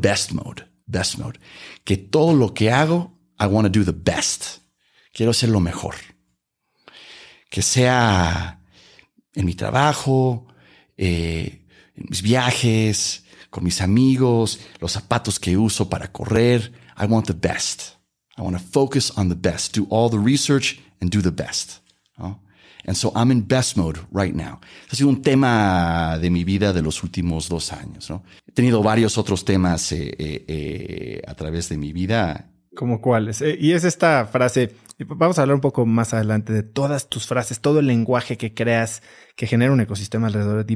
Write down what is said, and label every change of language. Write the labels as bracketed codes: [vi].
[en] Best mode. best mode. [es] Que todo lo que hago, [en] I want to do the best. [es] Quiero hacer lo mejor. Que sea en mi trabajo, en mis viajes, con mis amigos, los zapatos que uso para correr. [en] I want the best. I want to focus on the best. Do all the research and do the best. ¿No? And so I'm in best mode right now. [es] Ha sido un tema de mi vida de los últimos 2 años. ¿No? He tenido varios otros temas a través de mi vida. ¿Cómo cuáles? Y es esta frase. Vamos a hablar un poco más adelante de todas tus frases, todo el lenguaje que creas, que genera un ecosistema alrededor de ti.